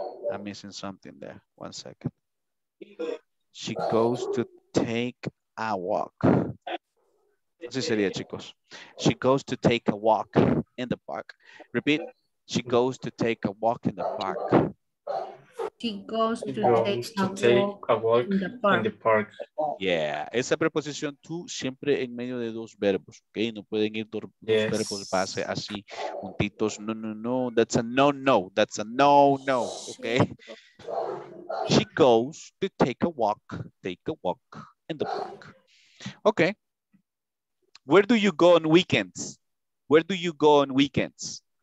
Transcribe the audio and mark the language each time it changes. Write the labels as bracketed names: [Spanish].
[English] I'm missing something there. One second. She goes to take a walk. [Spanish] Así sería, chicos. [English] She goes to take a walk in the park. Repeat. She goes to take a walk in the park. She goes to take a walk in the park. Yeah. [Spanish] Esa preposición to siempre en medio de dos verbos. Okay. No pueden ir dos verbos base así juntitos. [English] No. That's a no. Okay. She goes to take a walk in the park. Okay. Where do you go on weekends? Where do you go on weekends?